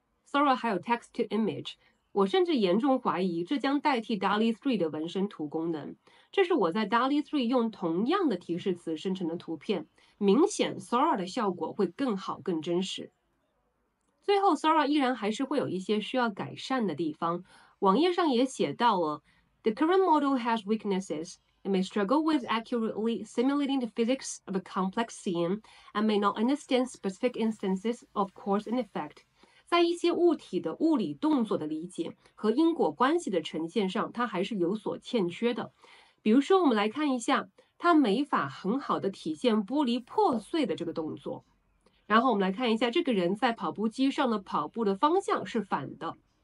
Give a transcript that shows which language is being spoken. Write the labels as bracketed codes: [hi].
[zh] Sora 还有 Text to Image，我甚至严重怀疑这将代替 DALL-E 3的纹身图功能。这是我在 DALL-E 3用同样的提示词生成的图片，明显 Sora 的效果会更好、更真实。最后，Sora 依然还是会有一些需要改善的地方。网页上也写到了。 [en] The current model has weaknesses. It may struggle with accurately simulating the physics of a complex scene and may not understand specific instances of cause and effect. [zh] 在一些物体的物理动作的理解和因果关系的呈现上，它还是有所欠缺的。比如说，我们来看一下，它没法很好的体现玻璃破碎的这个动作。然后我们来看一下，这个人在跑步机上的跑步的方向是反的。